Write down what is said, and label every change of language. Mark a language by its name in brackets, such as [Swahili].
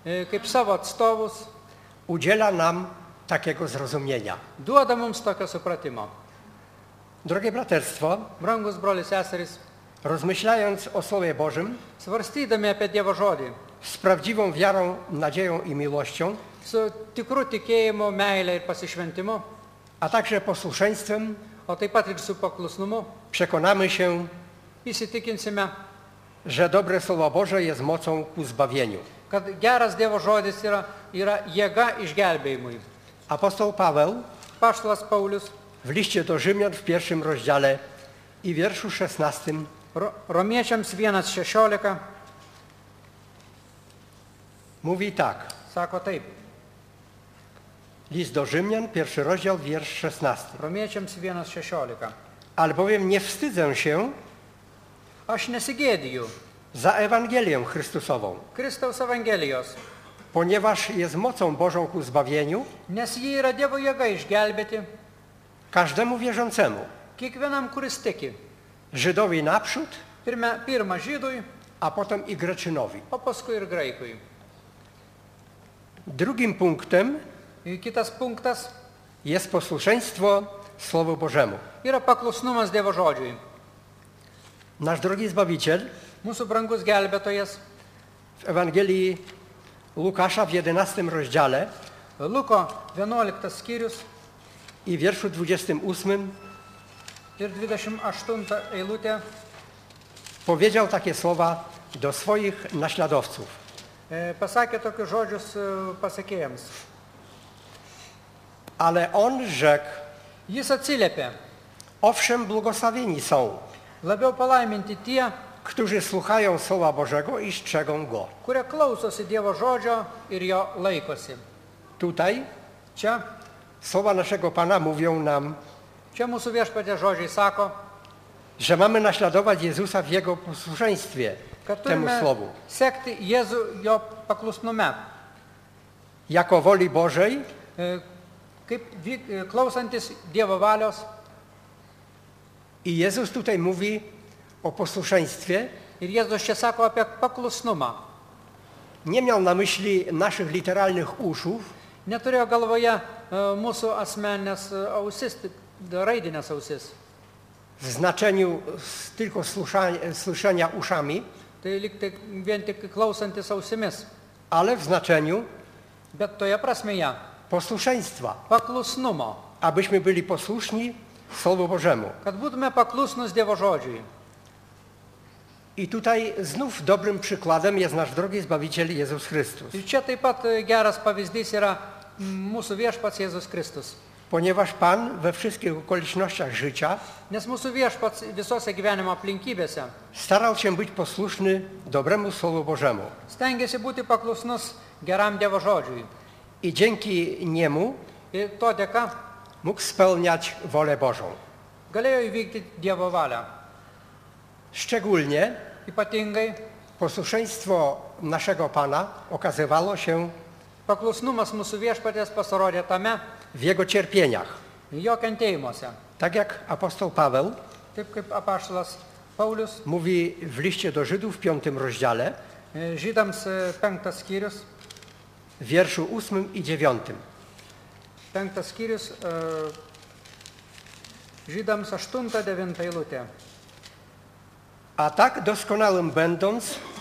[Lithuanian] kaip savo atstovus, [Polish] udziela nam takiego zrozumienia. [Lithuanian] Duoda mums tokio supratimo. [Polish] Drogie braterstwo, [Lithuanian] brangus broli seseris, [Polish] rozmyślając o Słowie Bożym, [Lithuanian] svarstydami apie Dievo žodį, [Polish] z prawdziwą wiarą, nadzieją i miłością, [Lithuanian] z tikru tikėjimu, meile ir pasišventimu, [Polish] a także posłuszeństwem, [Lithuanian] o taip pat ir su paklusnumu, [Polish] przekonamy się, [Lithuanian] įsitikinsime, [Polish] że dobre Słowo Boże jest mocą ku zbawieniu, [Lithuanian] kad geras Dievo žodis yra, yra jėga išgelbėjimui. [Polish] Apostoł Paweł, [Lithuanian] paštalas Paulius, [Polish] w liście do Rzymian w pierwszym rozdziale i wierszu 16, [Lithuanian] Romiečiams 1:16, [Polish] mówi tak. [Lithuanian] Sako taip. [Polish] List do Rzymian, pierwszy rozdział, wiersz 16. [Lithuanian] Romiečiams 1:16. [Polish] Albowiem nie wstydzę się, [Lithuanian] aš nesigėdiju, [Polish] za Ewangelię Chrystusową, [Lithuanian] Kristaus Evangelijos, [Polish] ponieważ jest mocą Bożą ku zbawieniu, [Lithuanian] nes ji yra Dievo jėga išgelbėti, [Polish] każdemu wierzącemu, [Lithuanian] kiekvienam, kuris tiki, [Polish] Żydowi naprzód, [Lithuanian] pirma Żydui, [Polish] a potem i Greczynowi, [Lithuanian] o paskui ir Graikui. [Polish] Drugim punktem, [Lithuanian] i kitas punktas, [Polish] jest posłuszeństwo Słowu Bożemu, [Lithuanian] yra paklusnumas Dievo žodžiui. [Polish] Nasz drogi Zbawiciel, [Lithuanian] mūsų brangus gelbėtojas, [Polish] w Ewangelii Łukasza w 11 rozdziale, [Lithuanian] Luko 11 skyrius, [Polish] i wierszu 28, [Lithuanian] ir 28 eilutė, [Polish] powiedział takie słowa do swoich naśladowców. [Lithuanian] Pasakė tokius žodžius pasekėjams. [Polish] Ale on rzekł, [Lithuanian] jis atsiliepė, [Polish] owszem, błogosławieni są, [Lithuanian] labiau palaiminti tie, [Polish] którzy słuchają Słowa Bożego i strzegą Go, [Lithuanian] kurie klausosi Dievo žodžio ir jo laikosi. [Polish] Tutaj, [Lithuanian] čia, [Polish] słowa naszego Pana mówią nam, [Lithuanian] čia mūsų viešpatės žodžiai sako, [Polish] że mamy naśladować Jezusa w Jego posłuszeństwie temu Słowu, [Lithuanian] sekti Jezu jo paklusnume, [Polish] jako woli Bożej, [Lithuanian] kaip klausantis Dievo valios. [Polish] I Jezus tutaj mówi o posłuszeństwie, [Lithuanian] ir Jezus čia sako apie paklusnumą, [Polish] nie miał na myśli naszych literalnych uszów, [Lithuanian] neturėjo galvoje mūsų asmenės ausis, raidinės ausis, [Polish] w znaczeniu tylko słyszenia uszami, [Lithuanian] Tai lyg tai vien tik klausantis ausimis. [Polish] Ale w znaczeniu. [Lithuanian] Bet toje prasmeje. [Polish] Posłuszeństwa. [Lithuanian] Paklusnumo. [Polish] Abyśmy byli posłuszni Słowu Bożemu. [Lithuanian] Kad būtume paklusnus Dievo žodžiui. [Polish] I tutaj znów dobrym przykładem jest nasz drogi Zbawiciel Jezus Chrystus. [Lithuanian] Ir čia taip pat geras pavyzdys yra mūsų viešpats Jezus Chrystus. [Polish] Ponieważ Pan we wszystkich okolicznościach życia [Lithuanian] nes mūsų viešpats visose gyvenimo aplinkybėse [Polish] starał się być posłuszny dobremu Słowu Bożemu. [Lithuanian] Stengėsi būti paklusnus geram Dievo žodžiui. [Polish] I dzięki niemu [Lithuanian] i to dėka [Polish] mógł spełniać wolę Bożą. [Lithuanian] Galėjo įvykti Dievo valią. [Polish] Szczególnie [Lithuanian] ypatingai [Polish] posłuszeństwo naszego Pana okazywało się [Lithuanian] paklusnumas mūsų viešpaties pasirodė tame [Polish] w jego cierpieniach. [Lithuanian] Jo kentėjimuose. [Polish] Tak jak apostoł Paweł [Lithuanian] taip kaip apaštalas Paulius [Polish] mówi w liście do Żydów w 5 rozdziale [Lithuanian] Żydams 5 skyrius [Polish] w wierszu 8 i 9. [Lithuanian] 5 skyrius Żydams 8-9 eilutė. [Polish] A tak doskonałym będąc,